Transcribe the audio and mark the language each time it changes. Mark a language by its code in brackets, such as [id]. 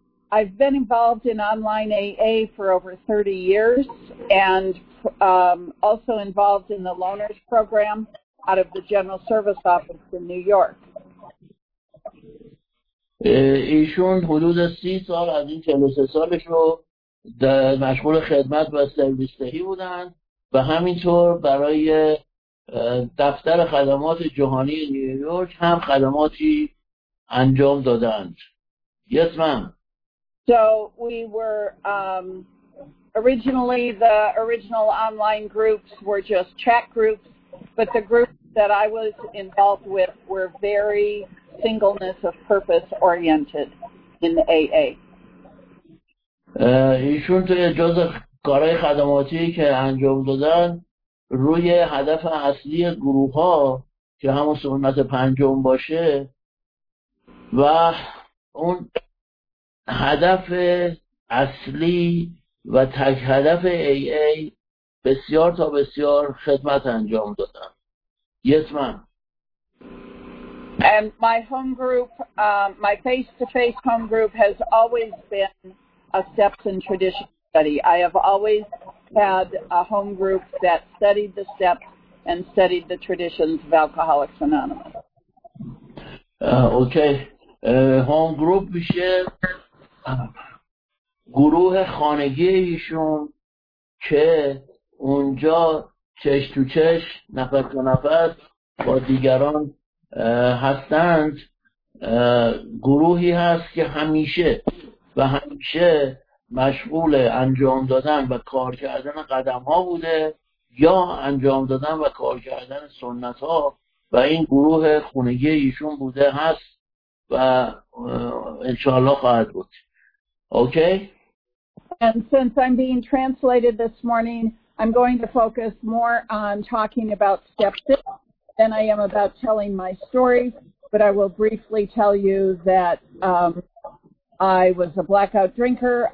[en] I've been involved in online AA for over 30 years and also involved in the loaners program out of the General Service Office in New York. [fa] ایشون حدود 30 سال از این 43 سالش رو مشغول خدمت و سرویس دهی بودن و همینطور برای دفتر خدمات جهانی نیویورک هم خدماتی انجام دادند. [en] Yes, ma'am. So we were originally the original online groups were just chat groups, but the groups that I was involved with were very singleness of purpose oriented in the AA. [fa] ایشون توی جزء کارهای خدماتی که انجام دادن روی هدف اصلی گروه ها که همون سنت پنجم باشه و اون هدف اصلی و تک هدف AA بسیار تا بسیار خدمت انجام دادن. [en] Yes, ma'am. And my home group, my face-to-face home group has always been a steps and tradition study. I have always had a home group that studied the steps and studied the traditions of Alcoholics Anonymous. Okay. Home group [fa] میشه گروه خانگی ایشون که اونجا چش تو چش نفس تو نفس با دیگران هستند. گروهی هست که همیشه و همیشه مشغول انجام دادن و کار کردن قدم ها بوده یا انجام دادن و کار کردن سنت ها و این گروه خونگی ایشون بوده هست و انشاءالله خواهد بود. [en] Okay? And since I'm being translated this morning, I'm going to focus more on talking about step 6 than I am about telling my story, but I will briefly tell you that I was a blackout drinker.